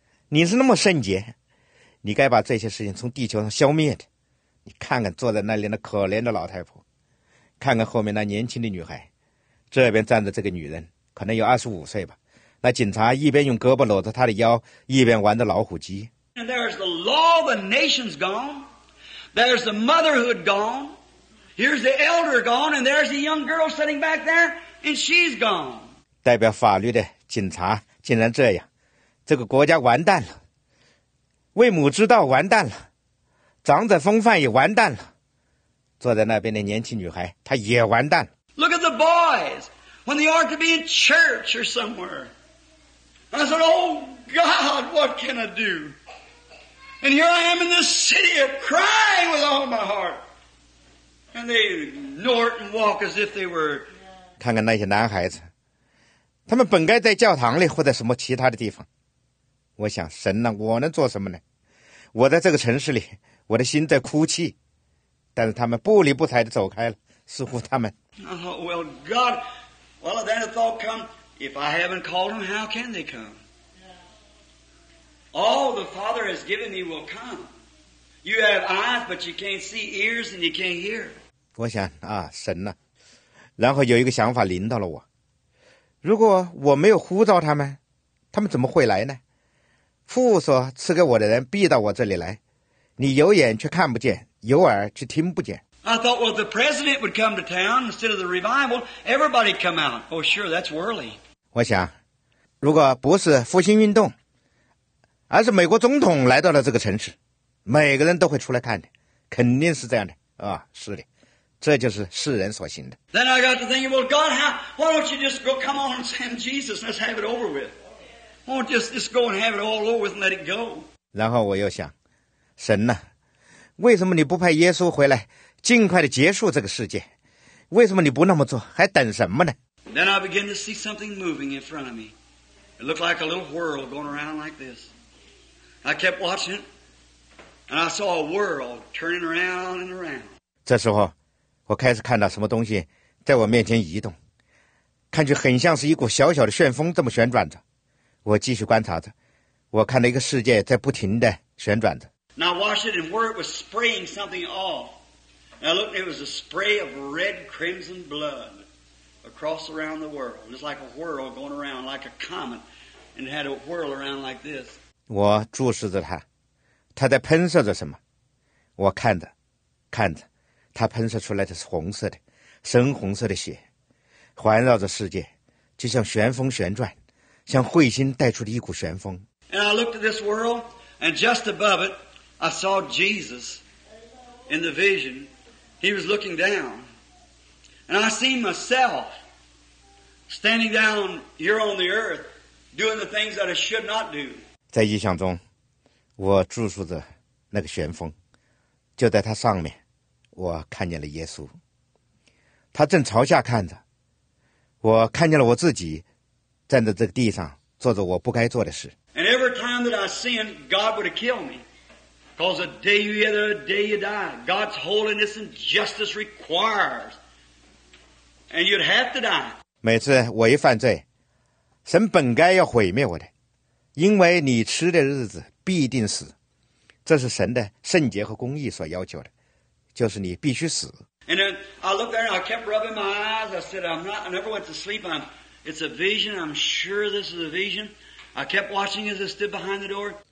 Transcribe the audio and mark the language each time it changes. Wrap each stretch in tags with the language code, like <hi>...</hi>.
<zh>你是那么圣洁，你该把这些事情从地球上消灭的。你看看坐在那里那可怜的老太婆，看看后面那年轻的女孩，这边站着这个女人，可能有25岁吧。那警察一边用胳膊搂着她的腰，一边玩着老虎机。</zh> <en>And there's the law of the nations gone. There's the motherhood gone. Here's the elder gone. And there's the young girl sitting back there. And she's gone.</en> <zh>代表法律的警察竟然这样，这个国家完蛋了，为母之道完蛋了，长者风范也完蛋了，坐在那边的年轻女孩她也完蛋了。</zh> <en>Look at the boys when they ought to be in church or somewhere. I said, oh God, what can I do? And here I am in this city of crying with all my heart. And they ignore it and walk as if they were...</en> <zh>看看那些男孩子，他们本该在教堂里或者什么其他的地方。我想神呢，我能做什么呢？我在这个城市里，我的心在哭泣，但是他们不理不睬地走开了，似乎他们。</zh> <en>Oh, well, God, well, then a thought come, if I haven't called them, how can they come? All the Father has given me will come. You have eyes, but you can't see, ears, and you can't hear.</en> <zh>我想啊，神呢、啊？然后有一个想法临到了我，如果我没有呼召他们，他们怎么会来呢？父所赐给我的人必到我这里来，你有眼却看不见，有耳却听不见。</zh> <en>I thought, well, the president would come to town instead of the revival, everybody come out. Oh, sure, that's worldly.</en> <zh>我想，如果不是复兴运动，而是美国总统来到了这个城市，每个人都会出来看的，肯定是这样的啊、哦，是的。这就是世人所行的。</zh> <en>Then I got to thinking, well, God, how? Why don't you just go? Come on and send Jesus. Let's have it over with. Won't just go and have it all over with and let it go.</en> <zh>然后我又想，神呐、啊，为什么你不派耶稣回来，尽快的结束这个世界？为什么你不那么做，还等什么呢</zh> <en>？Then I begin to see something moving in front of me. It looked like a little whirl going around like this. I kept watching, and I saw a whirl turning around and around.</en> <zh>这时候。我开始看到什么东西在我面前移动，看去很像是一股小小的旋风这么旋转着。我继续观察着，我看到一个世界在不停地旋转着。</zh> <en>Now watch it and where it was spraying something off. Now look, it was a spray of red crimson blood across around the world. It's like a whirl going around like a comet, and it had a whirl around like this.</en> <zh>我注视着它，它在喷射着什么？我看着，看着。它喷射出来的是红色的，深红色的血，环绕着世界，就像旋风旋转，像彗星带出的一股旋风。</zh> <en>And I looked at this world, and just above it, I saw Jesus in the vision. He was looking down. And I seen myself standing down here on the earth, doing the things that I should not do.</en> <zh>在异象中，我注视着那个旋风，就在它上面。我看见了耶稣，他正朝下看着。我看见了我自己，站在这个地上，做着我不该做的事。</zh> <en>And every time that I sinned, God would have killed me, because the day you hear, the day you die, God's holiness and justice requires, and you'd have to die.</en> <zh>每次我一犯罪，神本该要毁灭我的，因为你吃的日子必定死，这是神的圣洁和公义所要求的。就是你必须死。</zh> <en>And then I looked there and I kept rubbing my eyes. I said, I never went to sleep. It's a vision. I'm sure this is a vision. I kept watching as I stood behind the door.</en>